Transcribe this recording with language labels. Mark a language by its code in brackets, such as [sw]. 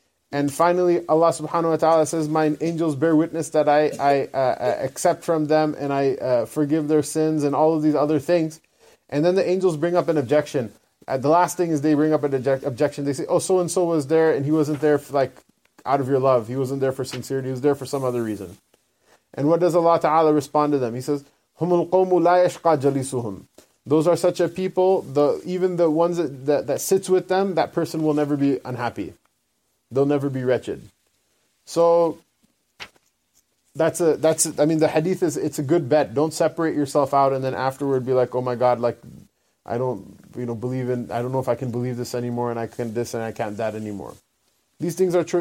[en] And finally, Allah subhanahu wa ta'ala says, my angels bear witness that I accept from them and I forgive their sins and all of these other things. And then the angels bring up an objection. The last thing is they bring up an objection. They say, oh, so-and-so was there, and he wasn't there for, like, out of your love. He wasn't there for sincerity. He was there for some other reason. And what does Allah Ta'ala respond to them? He says, [ar] هُمُ الْقَوْمُ لَا يَشْقَى جَلِسُهُمْ. [en] Those are such a people, even the ones that sits with them, that person will never be unhappy. They'll never be wretched. So, the hadith is, it's a good bet. Don't separate yourself out and then afterward be like, oh my God, like, I don't, you know, believe in, I don't know if I can believe this anymore, and I can this and I can't that anymore. These things are true.